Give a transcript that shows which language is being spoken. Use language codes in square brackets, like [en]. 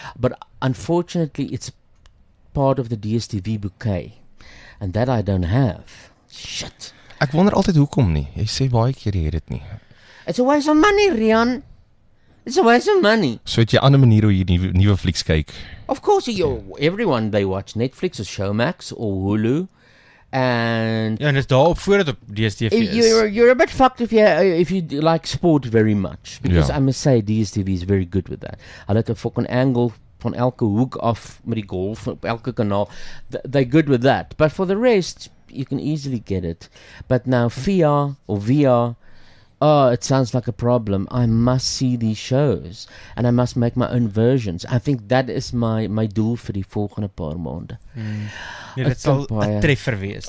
[en] But unfortunately, it's part of the DSTV bouquet. And that I don't have. Shit. [af] Ek wonder altyd hoekom nie. Jy sê baie keer jy het dit nie. [en] It's a waste of money, Rian. It's a waste of money. [af] So het jy ander manier hoe jy nuwe flieks kyk? [en] Of course, everyone, they watch Netflix or Showmax or Hulu. And... [af] Ja, en is daar op voordat op DSTV is. [en] You're a bit fucked if you like sport very much. Because yeah. I must say, DSTV is very good with that. [af] Hulle het 'n fucking angle van elke hoek af met die golf op elke kanaal. [en] They're good with that. But for the rest, you can easily get it. But now, VR... Oh, it sounds like a problem. I must see these shows and I must make my own versions. I think that is my [af] doel vir die volgende paar maande. Mm. Nee, dit sal 'n treffer wees.